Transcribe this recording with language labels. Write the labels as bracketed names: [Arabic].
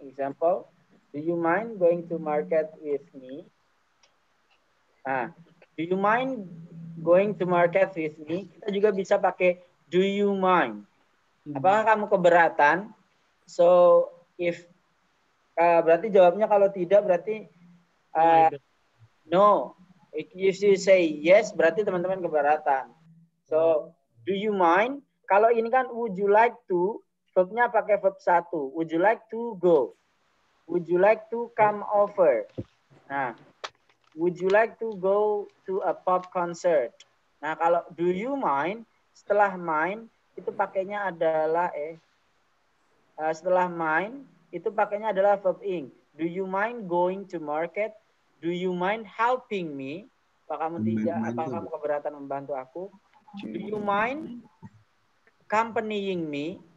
[English] Example, do you mind going to market with me? Do you mind going to market with me? [Indonesian] Kita juga bisa pakai [English] do you mind. [Indonesian] Apakah kamu keberatan? So if berarti jawabnya kalau tidak berarti no. [English] If you say yes [Indonesian] berarti teman-teman keberatan. [English] So do you mind? [Indonesian] Kalau ini kan [English] would you like to, [Indonesian] verbnya pakai verb satu. [English] Would you like to go? Would you like to come over? Nah, would you like to go to a pop concert? [Indonesian] Nah, kalau [English] do you mind [Indonesian] setelah mind itu pakainya adalah setelah mind itu pakainya adalah verb ing. [English] Do you mind going to market? Do you mind helping me? [Indonesian] Apa kamu tidak, apa kamu keberatan membantu aku? [English] Do you mind accompanying me?